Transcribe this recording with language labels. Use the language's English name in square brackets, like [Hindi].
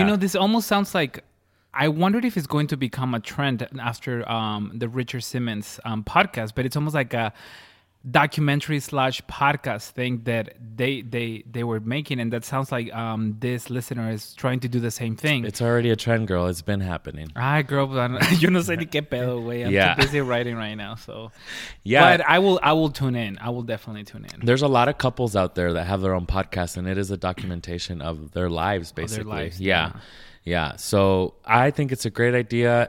[English] You know, this almost sounds like, I wondered if it's going to become a trend after the Richard Simmons podcast, but it's almost like a documentary / podcast thing that they were making, and that sounds like this listener is trying to do the same thing. It's already a trend, girl. It's been happening. [Spanish] Ay, girl, yo no sé ni qué pedo, güey. [English] I'm too busy writing right now, so yeah. But I will tune in. I will definitely tune in. There's a lot of couples out there that have their own podcast, and it is a documentation of their lives, basically. Their lives, yeah. So I think it's a great idea.